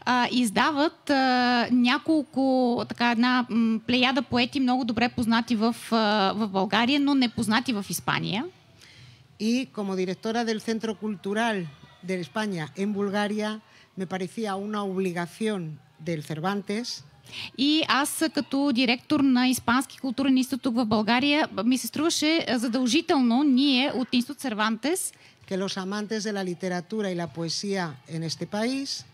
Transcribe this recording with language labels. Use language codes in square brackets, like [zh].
[bg] Издават няколко, така една плеяда поети, много добре познати в България, но непознати в Испания. [es] И como directora del Centro Cultural de España en Bulgaria, me parecía una obligación del Cervantes. [bg] И аз като директор на Испански културен институт тук в България, ми се струваше задължително ние от Институт Сервантес, [es] que los amantes de la literatura y la poesía en este país